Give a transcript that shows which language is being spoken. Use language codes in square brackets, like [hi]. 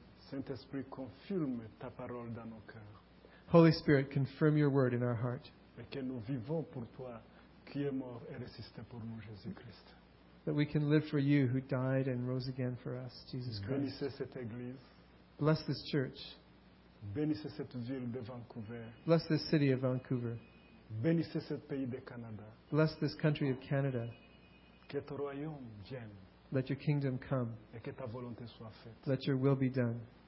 [fr] Saint-Esprit, confirme ta parole dans nos cœurs. [en] Holy Spirit, confirm your word in our heart. [fr] Et que nous vivons pour toi qui est mort et ressuscité pour nous, Jésus-Christ. [en] That we can live for you who died and rose again for us, Jesus Christ. [fr] Bénissez cette église. [en] Bless this church. [fr] Bénissez cette ville de Vancouver. [en] Bless this city of Vancouver. [fr] Bénissez ce pays de Canada. [en] Bless this country of Canada. [fr] Que ton royaume vienne. [en] Let your kingdom come. [fr] Et que ta volonté soit faite. [en] Let your will be done.